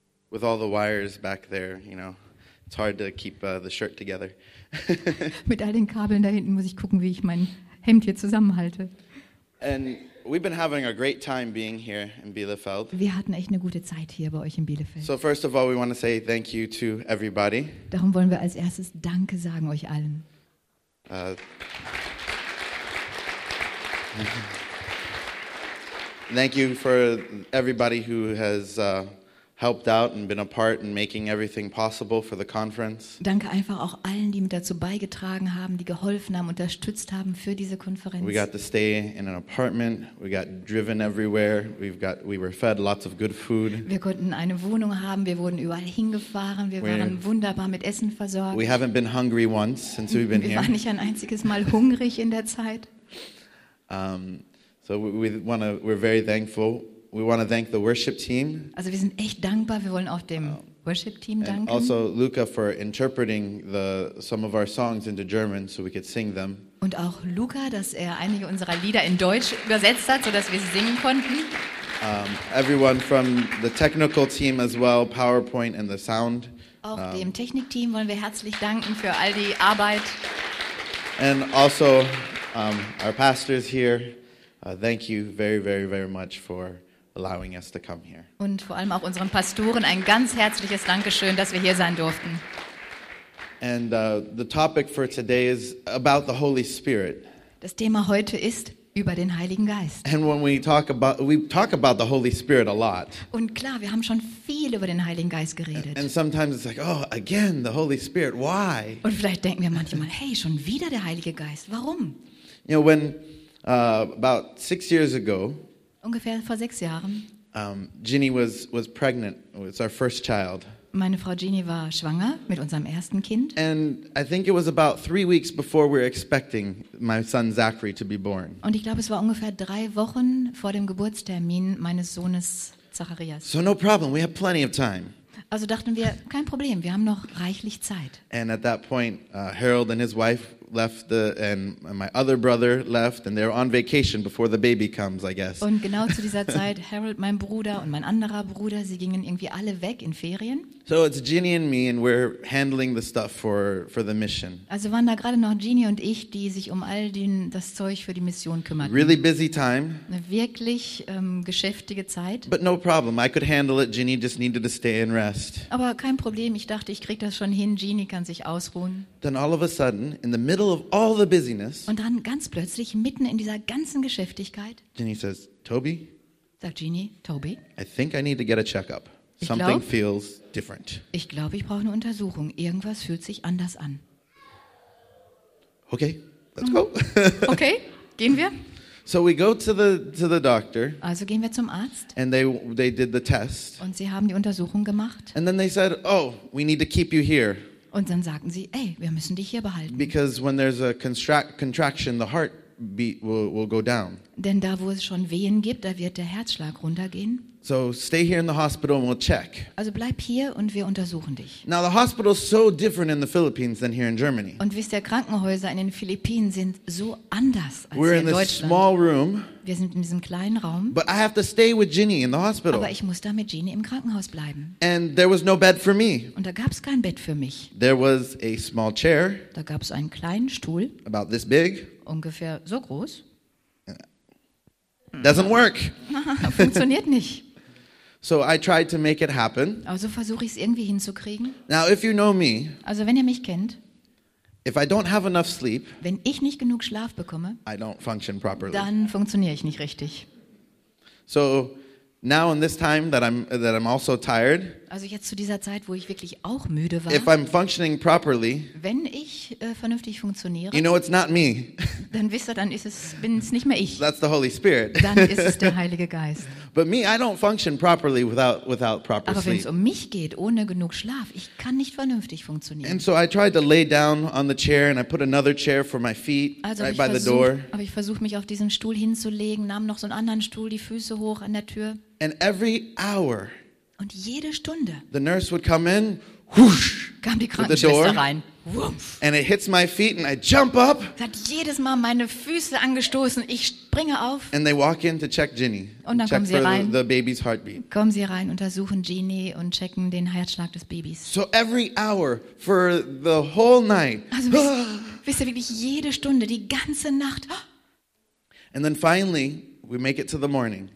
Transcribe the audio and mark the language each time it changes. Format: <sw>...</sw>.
<en>With all the wires back there, you know, it's hard to keep the shirt together.</en> <de>Mit all den Kabeln da hinten muss ich gucken, wie ich mein Hemd hier zusammenhalte.</de> <en>And we've been having a great time being here in Bielefeld.</en> <de>Wir hatten echt eine gute Zeit hier bei euch in Bielefeld.</de> <en>So first of all, we want to say thank you to everybody.</en> <de>Darum wollen wir als erstes Danke sagen euch allen.</de> <en>Thank you for everybody who has helped out and been a part in making everything possible for the conference.</en> <de>Danke einfach auch allen, die mit dazu beigetragen haben, die geholfen haben, unterstützt haben für diese Konferenz.</de> <en>We got to stay in an apartment. We got driven everywhere. We were fed lots of good food.</en> <de>Wir konnten eine Wohnung haben. Wir wurden überall hingefahren. Wir waren wunderbar mit Essen versorgt.</de> <en>We haven't been hungry once since we've been here.</en> <de>Wir waren nicht ein einziges Mal hungrig in der Zeit.</de> <en>We're very thankful. We want to thank the worship team.</en> <de>Also wir sind echt dankbar. Wir wollen auch dem Worship Team danken.</de> <en>Also Luca for interpreting some of our songs into German so we could sing them.</en> <de>Und auch Luca, dass er einige unserer Lieder in Deutsch übersetzt hat, so dass wir sie singen konnten.</de> <en>Everyone from the technical team as well, PowerPoint and the sound.</en> <de>Auch dem Technikteam wollen wir herzlich danken für all die Arbeit.</de> <en>And also our pastors here. Thank you very, very, very much for allowing us to come here.</en> <de>Und vor allem auch unseren Pastoren ein ganz herzliches Dankeschön, dass wir hier sein durften.</de> <en>And the topic for today is about the Holy Spirit.</en> <de>Das Thema heute ist über den Heiligen Geist.</de> <en>And when we talk about the Holy Spirit a lot.</en> <de>Und klar, wir haben schon viel über den Heiligen Geist geredet.</de> <en>And sometimes it's like, oh, again the Holy Spirit, why?</en> <de>Und vielleicht denken wir manchmal, hey, schon wieder der Heilige Geist, warum?</de> <en>You know, when about 6 years ago,</en> <de>ungefähr vor 6 Jahren,</de> <en>Ginny was pregnant. It was our first child.</en> <de>Meine Frau Ginny war schwanger mit unserem ersten Kind.</de> <en>And I think it was about 3 weeks before we were expecting my son Zachary to be born.</en> <de>Und ich glaube, es war ungefähr 3 Wochen vor dem Geburtstermin meines Sohnes Zacharias.</de> <en>So no problem, we have plenty of time.</en> <de>Also dachten wir, kein Problem, wir haben noch reichlich Zeit.</de> <en>And at that point, Harold and his wife left and my other brother left, and they're on vacation before the baby comes, I guess.</en> <de>Und genau zu dieser Zeit, Harold, mein Bruder, und mein anderer Bruder, sie gingen irgendwie alle weg in Ferien.</de> <en>So it's Ginny and me, and we're handling the stuff for the mission.</en> <de>Also waren da gerade noch Ginny und ich, die sich um all das Zeug für die Mission kümmerten.</de> <en>Really busy time.</en> <de>Eine wirklich geschäftige Zeit.</de> <en>But no problem, I could handle it. Ginny just needed to stay and rest.</en> <de>Aber kein Problem, ich dachte, ich krieg das schon hin. Ginny kann sich ausruhen.</de> <en>Then all of a sudden, in the middle of all the busyness,</en> <de>und dann ganz plötzlich mitten in dieser ganzen Geschäftigkeit,</de> <en>Ginny says, "Toby."</en> <de>Sagt Ginny, "Toby."</de> <en>I think I need to get a checkup. Something feels different.</en> <de>Ich glaube, ich brauche eine Untersuchung. Irgendwas fühlt sich anders an.</de> <en>Okay, let's go.</en> <de>Okay, gehen wir.</de> <en>So we go to the doctor.</en> <de>Also gehen wir zum Arzt.</de> <en>And they did the test.</en> <de>Und sie haben die Untersuchung gemacht.</de> <en>And then they said, "Oh, we need to keep you here."</en> <de>Und dann sagten sie, ey, wir müssen dich hier behalten.</de> <en>Because when there's a contraction, the heart beat will go down.</en> <de>Denn da, wo es schon Wehen gibt, da wird der Herzschlag runtergehen.</de> <en>So stay here in the hospital and we'll check.</en> <de>Also bleib hier und wir untersuchen dich.</de> <en>Now the hospital is so different in the Philippines than here in Germany.</en> <de>Und wisst ihr, Krankenhäuser in den Philippinen sind so anders als hier in Deutschland.</de> <en>We're in a small room.</en> <de>Wir sind in diesem kleinen Raum.</de> <en>But I have to stay with Ginny in the hospital.</en> <de>Aber ich muss da mit Ginny im Krankenhaus bleiben.</de> <en>And there was no bed for me.</en> <de>Und da gab's kein Bett für mich.</de> <en>There was a small chair.</en> <de>Da gab's einen kleinen Stuhl.</de> <en>About this big.</en> <de>Ungefähr so groß.</de> <en>Doesn't work.</en> <de>Funktioniert nicht.</de> <en>So I tried to make it happen.</en> <de>Also versuche ich es irgendwie hinzukriegen.</de> <en>Now if you know me.</en> <de>Also wenn ihr mich kennt.</de> <en>If I don't have enough sleep.</en> <de>Wenn ich nicht genug Schlaf bekomme.</de> <en>I don't function properly.</en> <de>Dann funktioniere ich nicht richtig.</de> <en>So now in this time that I'm also tired.</en> <de>Also jetzt zu dieser Zeit, wo ich wirklich auch müde war.</de> <en>If I'm functioning properly.</en> <de>Wenn ich vernünftig funktioniere.</de> <en>You know, it's not me.</en> <de>Dann wisst ihr, dann bin's nicht mehr ich.</de> <en>That's the Holy Spirit.</en> <de>Dann ist es der Heilige Geist.</de> <en>But me, I don't function properly without proper sleep.</en> <de>Aber wenn es um mich geht, ohne genug Schlaf, ich kann nicht vernünftig funktionieren.</de> <en>And so I tried to lay down on the chair and I put another chair for my feet by the door.</en> <de>Aber ich versuche mich auf diesen Stuhl hinzulegen, nahm noch so einen anderen Stuhl, die Füße hoch an der Tür.</de> <en>And every hour.</en> <de>Und jede Stunde.</de> <en>The nurse would come in, whoosh.</en> <de>kam die Krankenschwester rein.</de> <en>And it hits my feet and I jump up.</en> <de>Sie hat jedes Mal meine Füße angestoßen. Ich springe auf.</de> <en>And they walk in to check Ginny.</en> <de>Und dann</de> <en>check</en> <de>kommen sie rein.</de> <en>The baby's heartbeat.</en> <de>Kommen sie rein, untersuchen Ginny und checken den Herzschlag des Babys.</de> <en>So every hour for the whole night.</en> <de>Also wisst ihr wirklich jede Stunde, die ganze Nacht.</de> <en>And then finally we make it to the morning.</en>